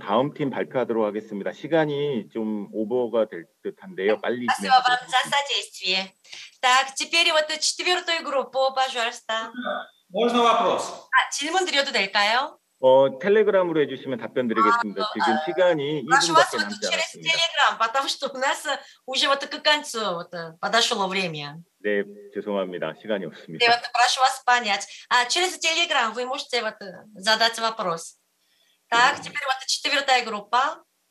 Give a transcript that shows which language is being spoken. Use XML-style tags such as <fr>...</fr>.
<ko>다음 팀 발표하도록 하겠습니다. 시간이 좀 오버가 될 듯한데요. 빨리 진행해 주세요.</ko> <ru>Так, теперь вот четвертую группу, пожалуйста. Можно вопрос?</ru> <ko>질문 드려도 될까요? 텔레그램으로 해주시면 답변드리겠습니다. 지금 시간이 2분밖에 남지 않았습니다.</ko> <ru>Telegram, потому что у нас уже вот к концу вот подошло время.</ru> <ko>네, 죄송합니다. 시간이 없습니다.</ko> <ru>네, вот прошу вас понять. А через Telegram вы можете вот задать вопрос. Так, теперь вот четвертая группа.</ru>